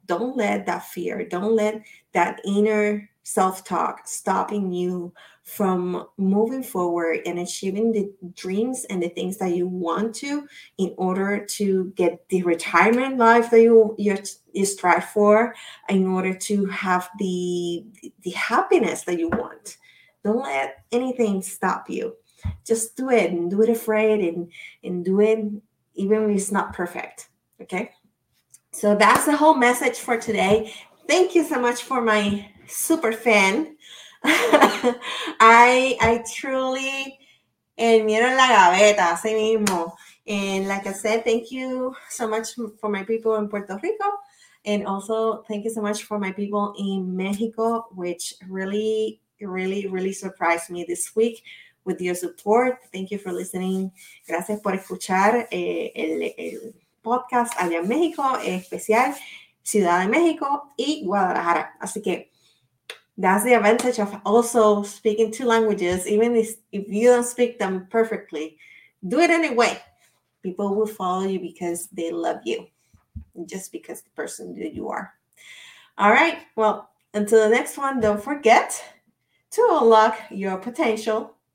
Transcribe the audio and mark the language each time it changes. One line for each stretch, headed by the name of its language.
English: Don't let that fear, don't let that inner self-talk stopping you from moving forward and achieving the dreams and the things that you want to, in order to get the retirement life that you strive for, in order to have the happiness that you want. Don't let anything stop you. Just do it, and do it afraid, and do it even when it's not perfect, okay? So that's the whole message for today. Thank you so much for my super fan. I truly,
Spanish: el miedo en la gaveta, así mismo.
English: And like I said, thank you so much for my people in Puerto Rico. And also thank you so much for my people in Mexico, which really... it really, really surprised me this week with your support. Thank you for listening.
Spanish: Gracias por escuchar el podcast allá en México, en especial Ciudad de México y Guadalajara. Así que
English: that's the advantage of also speaking two languages. Even if you don't speak them perfectly, do it anyway. People will follow you because they love you, just because the person that you are. All right. Well, until the next one, don't forget to unlock your potential.